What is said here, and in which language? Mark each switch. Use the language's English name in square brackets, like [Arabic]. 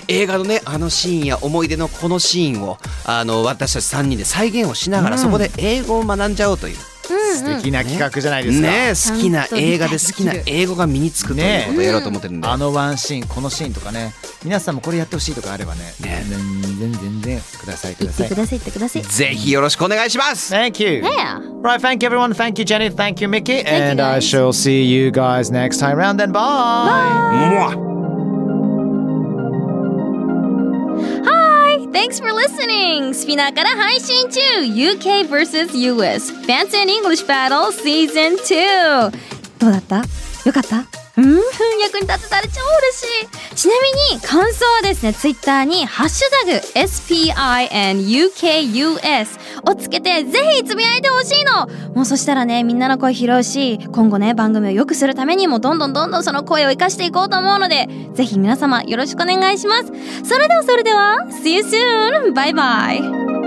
[Japanese] 映画のねあのシーンや思い出のこのシーンをあの私たち3人で再現をしながら、うん、そこで英語を学んじゃおうという、うんうん、素敵な企画じゃないですかね、好きな映画で好きな英語が身につくということをやろうと思ってるんで、ね、あのワンシーン、このシーンとかね、皆さんもこれやってほしいとかあればね全然全然ください、言ってください、言ってください、ぜひよろしくお願いします、うん、 [English] Thank you、 yeah. Right, thank you everyone. Thank you Jenny, thank you Mickey. Thank you, and I shall see you guys next time round and bye, bye. Thanks for listening! [Japanese] スピナーから配信中 UK vs. [English] US Fancy and English Battle Season 2! [Japanese] どうだった？よかった？うん、役に立てたら超嬉しい。ちなみに感想はですね、ツイッターにハッシュタグ SPINUKUS をつけてぜひつぶやいてほしいの。もうそしたらね、みんなの声拾うし、今後ね番組を良くするためにもどんどんどんどんその声を生かしていこうと思うので、ぜひ皆様よろしくお願いします。それではそれでは [English] See you soon! [Japanese] バイバイ。